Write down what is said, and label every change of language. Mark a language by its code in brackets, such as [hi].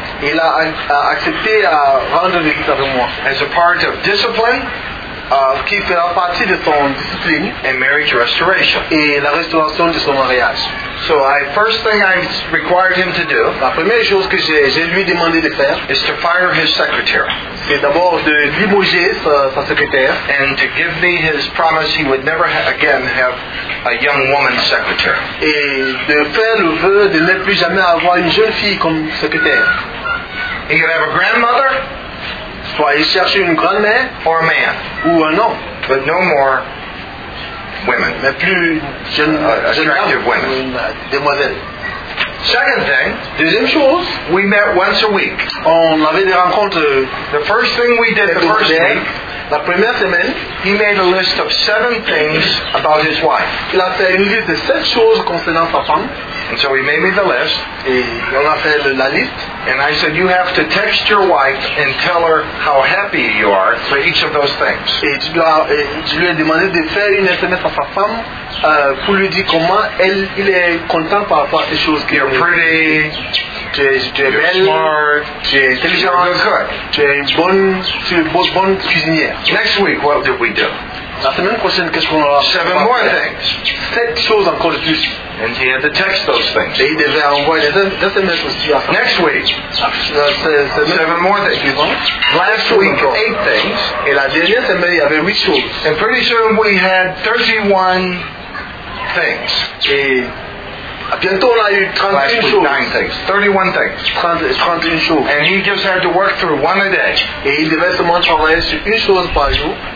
[fr] Il a accepté à rendre visite avec moi. [en] As a part of discipline. [fr] Qui fait partie de son discipline. [en] And marriage restoration. [fr] Et la restauration de son mariage. [en] So I first thing I required him to do. [fr] La première chose que j'ai lui demandé de faire. [en] Is to fire his secretary. [fr] C'est d'abord de limoger sa secrétaire. [en] And to give me his promise he would never again have a young woman secretary. [fr] Et de faire le vœu de ne plus jamais avoir une jeune fille comme secrétaire. [en] He could have a grandmother. [fr] Soit il cherche une grand-mère. [en] Or a man. [fr] Ou un homme. [en] But no more women. [fr] Mais plus [en] attractive women. Second thing. [fr] Deuxième chose. [en] We met once a week. [fr] On avait des rencontres. [en] The first thing we did the first week. [fr] La première semaine, [en] he made a list of seven things about his wife. [fr] Il a fait une liste de sept choses concernant sa femme. [en] And so he made me the list. [fr] Et on a fait la liste. [en] And I said, you have to text your wife and tell her how happy you are for each of those things. [fr] Et tu lui as demandé de faire une SMS à sa femme pour lui dire comment il est content par rapport à ces choses. [en] You're pretty. [fr] Tu es belle, tu es intelligente, tu es une bonne cuisinière. [en] Next week, what did we do? [fr] La semaine prochaine, qu'est-ce qu'on aura? [en] Seven more things. [fr] Sept choses encore de plus. [en] And he had to text those things. [fr] Et il devait envoyer des SMS aussi. [en] Next week, seven more things. Last week, eight things. [fr] Et la dernière semaine, il y avait huit choses. [en] And pretty soon, we had 31 things. [fr] Bientôt, on a eu 31 choses. [en] Nine things. 31 things. [fr] 31 choses. [en] And he just had to work through one a day. [fr] Et il devait seulement travailler sur une chose par jour.